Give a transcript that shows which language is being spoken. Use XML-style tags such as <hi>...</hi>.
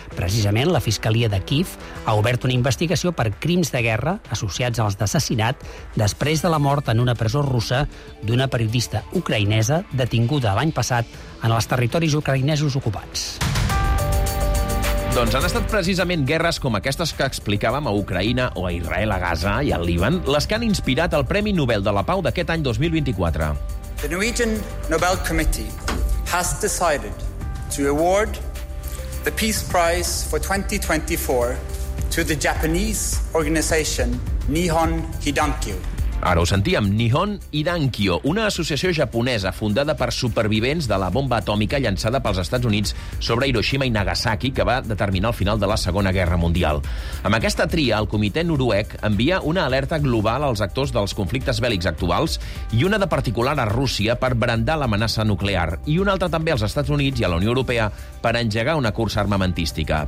<ca>Precisament, la Fiscalia de Kiev ha obert una investigació per crims de guerra associats als d'assassinat després de la mort en una presó russa d'una periodista ucraïnesa detinguda l'any passat en els territoris ucraïnesos ocupats. Doncs han estat precisament guerres com aquestes que explicàvem a Ucraïna o a Israel, a Gaza i al Líban, les que han inspirat el Premi Nobel de la Pau d'aquest any 2024.</ca> <en>The Norwegian Nobel Committee has decided to award the Peace Prize for 2024 to the Japanese organization Nihon Hidankyo.</en> <ca>Ara ho sentíem, Nihon Hidankyo, una associació japonesa fundada per supervivents de la bomba atòmica llançada pels Estats Units sobre Hiroshima i Nagasaki, que va determinar el final de la Segona Guerra Mundial. Amb aquesta tria, el Comitè Noruec envia una alerta global als actors dels conflictes bèl·lics actuals i una de particular a Rússia per brandar l'amenaça nuclear, i una altra també als Estats Units i a la Unió Europea per engegar una cursa armamentística.</ca>